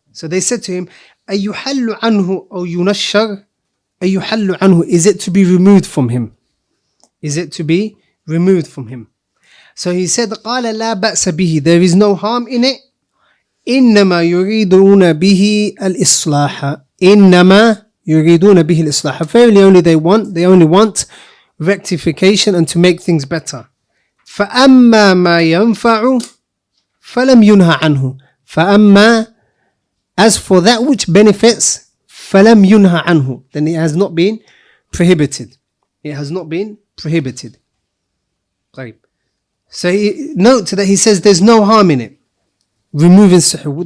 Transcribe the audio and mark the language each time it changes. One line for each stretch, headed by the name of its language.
English: So they said to him
Arabic: أي يحل عنه أو ينشر أي يحل عنه,
English: is it to be removed from him, is it to be removed from him. So he said
Arabic: قال لا بأس به,
English: there is no harm in it.
Arabic: إنما يريدون به الإصلاح. إنما يريدون به الإصلاح.
English: Fairly only they want. They only want rectification and to make things better.
Arabic: فأما ما ينفع فلم ينهى عنه.
English: فأما, as for that which benefits,
Arabic: فلم ينهى عنه.
English: Then it has not been prohibited. It has not been prohibited.
Arabic: طيب.
English: So he, note that he says there's no harm in it. Removing sihr.